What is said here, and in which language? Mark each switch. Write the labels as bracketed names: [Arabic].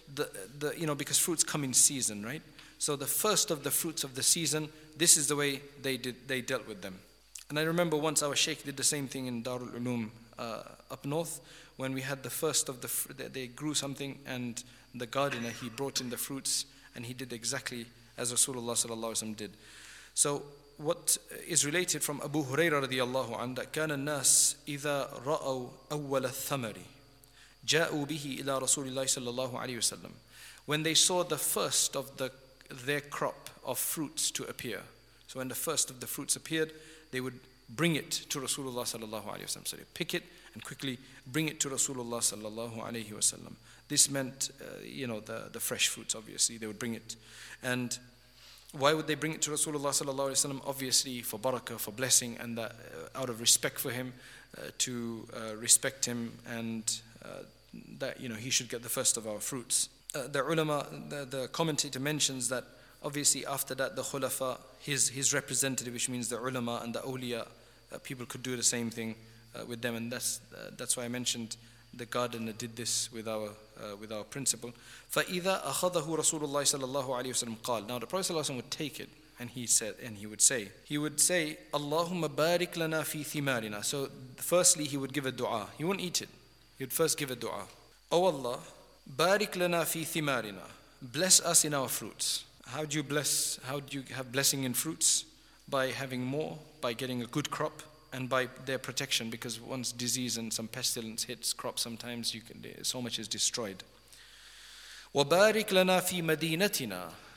[English] Because fruits come in season, right? So the first of the fruits of the season, this is the way they dealt with them. And I remember once our sheikh did the same thing in Darul Uloom up north, when we had the first of the fruit, they grew something, and the gardener, he brought in the fruits, and he did exactly as Rasulullah sallallahu alaihi wasallam did. So what is related from Abu Huraira radiallahu anhu, that [Arabic] كان الناس إذا رأوا أول الثمر جاءوا به إلى رسول الله صلى الله عليه وسلم. [English] When they saw the first of their crop of fruits to appear, so when the first of the fruits appeared, they would bring it to Rasulullah sallallahu alaihi wasallam. So they pick it and quickly bring it to Rasulullah sallallahu alaihi wasallam. This meant, the fresh fruits. Obviously, they would bring it. And why would they bring it to Rasulullah sallallahu alaihi wasallam? Obviously, for barakah, for blessing, and that out of respect for him, respect him, and that he should get the first of our fruits. The ulama, the commentator mentions that. Obviously, after that, the khulafa, his representative, which means the ulama and the awliya, people could do the same thing with them. And that's why I mentioned the gardener did this with our principle. [Arabic] فَإِذَا أَخَذَهُ رَسُولُ اللَّهِ صَلَى اللَّهُ عَلَيْهِ وَسَلَمْ قَالَ. [English] Now, the Prophet ﷺ would take it, and he would say, [Arabic] اللَّهُمَّ بَارِكْ لَنَا فِي ثِمَارِنَا. [English] So, firstly, he would give a dua. He wouldn't eat it. He would first give a dua. Oh Allah, [Arabic] بَارِكْ لَنَا فِي ثِمَارِنَا. [English] Bless us in our fruits. How do you bless? How do you have blessing in fruits? By having more, by getting a good crop, and by their protection. Because once disease and some pestilence hits crops, sometimes so much is destroyed. [Arabic] وَبَارِكْ لَنَا فِي مَدِينَتِنَا.